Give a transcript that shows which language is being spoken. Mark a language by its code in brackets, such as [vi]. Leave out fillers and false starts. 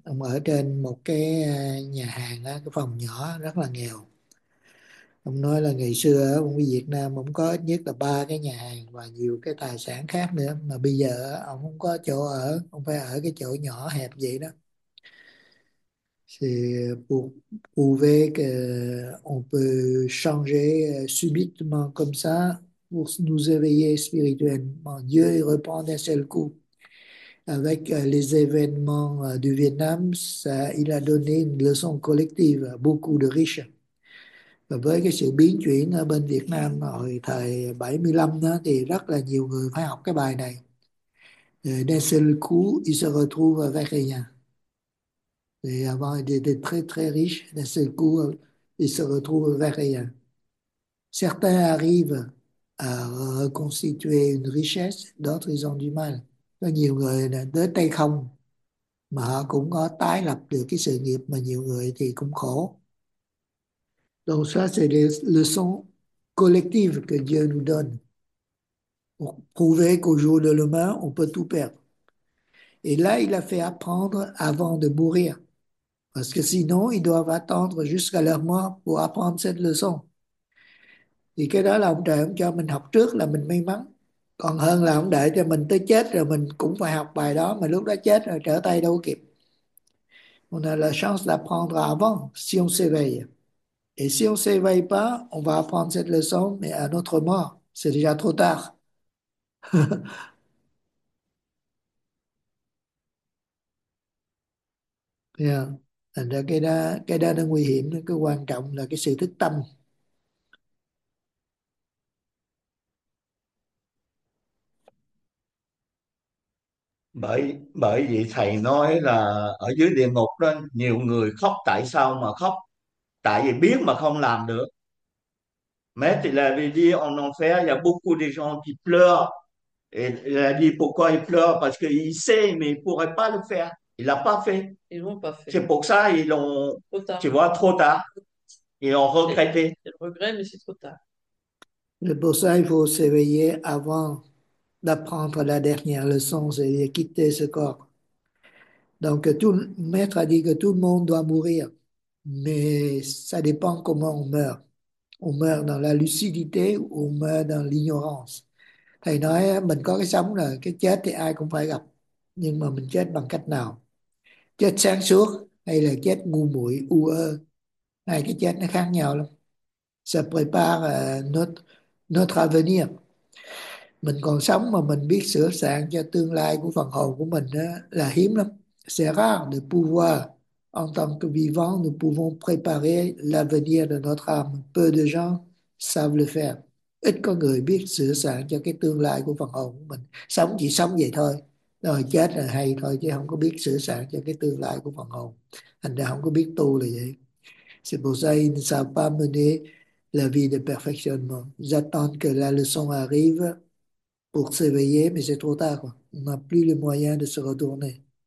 [vi] Ông ở trên một cái nhà hàng, cái phòng nhỏ rất là nghèo. Ông nói là ngày xưa ở Việt Nam ông có ít nhất là ba cái nhà hàng và nhiều cái tài sản khác nữa, mà bây giờ ông không có chỗ ở, ông phải ở cái chỗ nhỏ hẹp vậy đó. [fr] C'est pour prouver qu'on peut changer subitement comme ça pour nous éveiller spirituellement. Dieu y répond d'un seul coup. Avec les événements du Vietnam, ça, il a donné une leçon collective à beaucoup de riches. [vi] Và với cái sự biến chuyển ở bên Việt Nam hồi thời 75 đó, thì rất là nhiều người phải học cái bài này. [fr] D'un seul coup, il se retrouve avec rien. Et avant, il était très très riche, d'un seul coup, il se retrouve avec rien. Certains arrivent à reconstituer une richesse, d'autres, ils ont du mal. [vi] Có nhiều người tới tay không, mà họ cũng có tái lập được cái sự nghiệp, mà nhiều người thì cũng khổ. [fr] Donc ça, c'est les leçons collectives que Dieu nous donne pour prouver qu'au jour de demain, on peut tout perdre. Et là, il a fait apprendre avant de mourir. Parce que sinon, ils doivent attendre jusqu'à leur mort pour apprendre cette leçon. [vi] Et cái đó là ông trời ông cho mình học trước là mình may mắn. Còn hơn là ông đợi cho mình tới chết rồi mình cũng phải học bài đó, mà lúc đó chết rồi trở tay đâu kịp. [fr] On a la chance d'apprendre avant, si on s'éveille. Et si on s'éveille pas, on va apprendre cette leçon, mais à notre mort, c'est déjà trop tard. [vi] Thành ra cái đó nó nguy hiểm, cái quan trọng là cái sự thức tâm. Bởi vì thầy nói là ở dưới địa ngục đó nhiều người khóc, tại sao mà khóc? Tại vì biết mà không làm được. [fr] Mais tu l'as dit, en enfer, il y a beaucoup de gens qui pleurent. Et il a dit pourquoi ils pleurent? Parce qu'ils savent, mais ils ne pourraient pas le faire. Il l'a pas fait. Ils l'ont pas fait. C'est pour ça ils l'ont, Trop tu tard. vois, trop tard. Ils l'ont C'est regretté. le regret, mais c'est trop tard. Pour ça, il faut s'éveiller avant d'apprendre la dernière leçon, c'est quitter ce corps. Donc, tout le maître a dit que tout le monde doit mourir, mais ça dépend comment on meurt. On meurt dans la lucidité ou on meurt dans l'ignorance. [vi] Thầy nói, mình có cái sống là cái chết thì ai cũng phải gặp. Nhưng mà mình chết bằng cách nào? Chết sáng suốt hay là chết ngu muội u ơ? Hai cái chết nó khác nhau lắm. [fr] Ça prépare notre avenir. [vi] Mình còn sống mà mình biết sửa soạn cho tương lai của phần hồn của mình đó, là hiếm lắm. [fr] C'est rare de pouvoir, en tant que vivant, nous pouvons préparer l'avenir de notre âme. Peu de gens savent le faire. [vi] Ít có người biết sửa soạn cho cái tương lai của phần hồn của mình. Sống chỉ sống vậy thôi. Rồi chết là hay thôi, chứ không có biết sửa soạn cho cái tương lai của phần hồn. Thành ra không có biết tu là vậy. [fr] C'est pour ça qu'ils ne savent pas mener la vie de perfectionnement. Ils attendent que la leçon arrive pour s'éveiller, mais c'est trop tard, quoi. On n'a plus les moyens de se retourner.